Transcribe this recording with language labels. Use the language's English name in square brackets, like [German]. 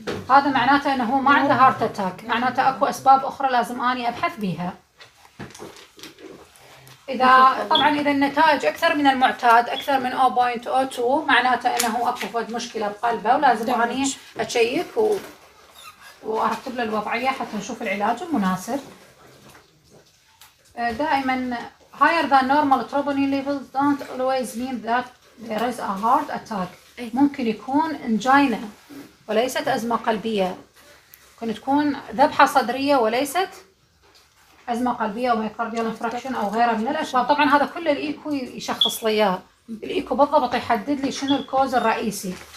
[Arabic] هذا معناته أنه هو ما عنده هارت أتاك، معناته أكو أسباب أخرى لازم أني أبحث بيها. إذا طبعا إذا النتائج أكثر من المعتاد أكثر من 0.02 معناته أنه أكو مشكلة بقلبه ولازم أني أشيك وأرتب له الوضعية حتى نشوف العلاج المناسب. [English] دائما higher than normal troponin levels don't always mean that there is a heart attack. [Arabic] ممكن يكون انجينا وليست أزمة قلبية، ممكن تكون ذبحة صدرية وليست أزمة قلبية أو مايكارديال انفراكشن أو غيرها من الأشياء. طبعا هذا كل الإيكو يشخص لي إياه، الإيكو بالضبط يحدد لي شنو الكوز الرئيسي.